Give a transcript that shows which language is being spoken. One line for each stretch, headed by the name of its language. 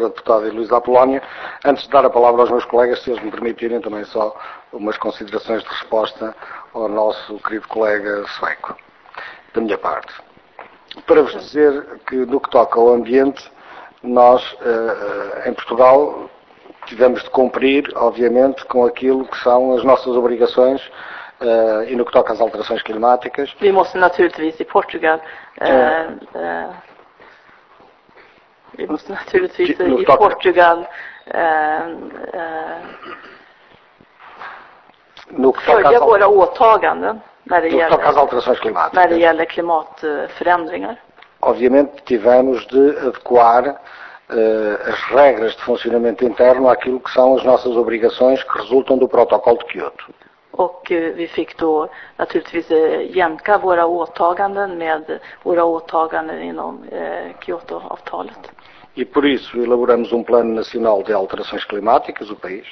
Portuguese: Deputada Luísa Apolónio. Antes de dar a palavra aos meus colegas, se eles me permitirem, também só umas considerações de resposta ao nosso querido colega sueco, da minha parte. Para vos dizer que, no que toca ao ambiente, nós, em Portugal, tivemos de cumprir, obviamente, com aquilo que são as nossas obrigações e no que toca às alterações climáticas.
Swedish: Vi måste naturligtvis i Portugal följa våra åtaganden när det gäller
Portuguese: alterações climáticas.
Swedish: När det gäller klimatförändringar.
Portuguese: Obviamente tivemos de adequar as regras de funcionamento interno àquilo que são as nossas obrigações que resultam do protocolo de Kyoto.
Swedish: Och vi fick då naturligtvis jämka våra åtaganden med våra åtaganden inom Kyoto-avtalet.
Portuguese: E por isso elaboramos plano nacional de alterações climáticas, o país.